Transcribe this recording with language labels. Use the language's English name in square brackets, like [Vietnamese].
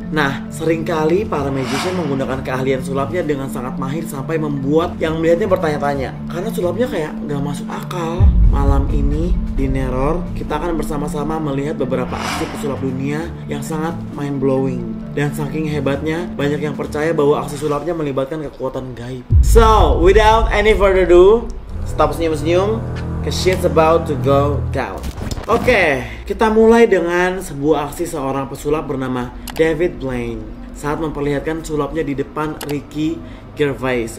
[Indonesian] Nah, seringkali para magician menggunakan keahlian sulapnya dengan sangat mahir sampai membuat yang melihatnya bertanya-tanya. Karena sulapnya kayak gak masuk akal. Malam ini di Neror, kita akan bersama-sama melihat beberapa aksi pesulap dunia yang sangat mind-blowing. Dan saking hebatnya, banyak yang percaya bahwa aksi sulapnya melibatkan kekuatan gaib. [English] So, without any further ado, stop senyum-senyum, 'cause shit's about to go down. [Indonesian] Oke, kita mulai dengan sebuah aksi seorang pesulap bernama David Blaine saat memperlihatkan sulapnya di depan Ricky Gervais.